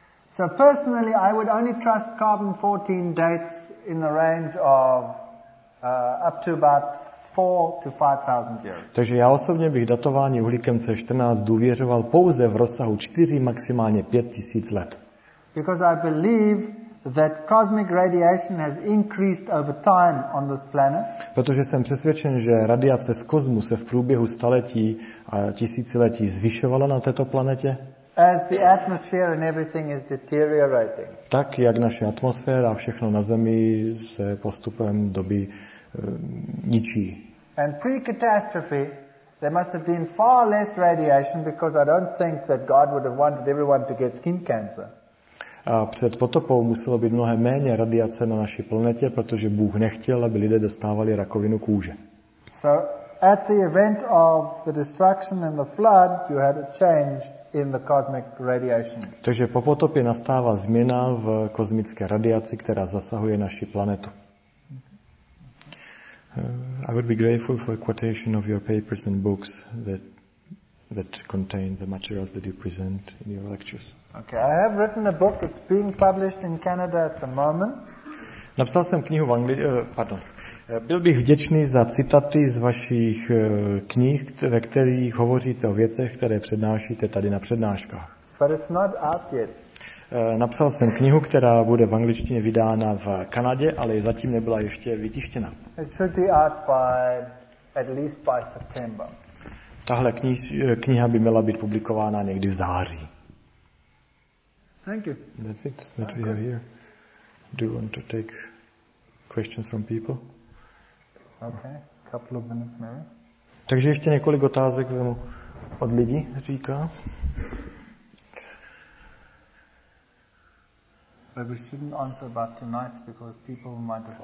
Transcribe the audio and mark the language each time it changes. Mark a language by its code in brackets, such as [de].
[en] So personally I would only trust carbon 14 dates in the range of up to about 4 to 5,000 years. [cs] Takže já osobně bych datování uhlíkem C14 důvěřoval pouze v rozsahu 4 maximálně 5000 let. [en] Because I believe that cosmic radiation has increased over time on this planet. [cs] Protože jsem přesvědčen, že radiace z kosmu se v průběhu staletí a tisíciletí zvyšovala na této planetě. [en] As the atmosphere and everything is deteriorating. [cs] Tak jak naše atmosféra a všechno na Zemi se postupem doby ničí. [en] And pre-catastrophe there must have been far less radiation because I don't think that God would have wanted everyone to get skin cancer. [cs] A před potopou muselo být mnohem méně radiace na naší planetě, protože Bůh nechtěl, aby lidé dostávali rakovinu kůže. [en] So at the event of the destruction and the flood you had a change in the cosmic radiation. [cs] Takže po potopě nastává změna v kosmické radiaci, která zasahuje naši planetu. [en] I would be grateful for a quotation of your papers and books that contain the materials that you present in your lectures. Okay, I have written a book. It's being published in Canada at the moment. [cs] Napsal jsem knihu v angličtině. Byl bych vděčný za citaty z vašich knih, ve kterých hovoříte o věcech, které přednášíte tady na přednáškách. [en] But it's not out yet. [cs] Napsal jsem knihu, která bude v angličtině vydána v Kanadě, ale zatím nebyla ještě vytištěna. [en] It should be out by, at least by September. [cs] Tahle kniha by měla být publikována někdy v září. [en] Thank you. That's it that we have here. Do you want to take questions from people? Okay, couple of minutes maybe. [cs] Takže ještě několik otázek od lidí, říká. [en] But we shouldn't answer about tonight because people might have.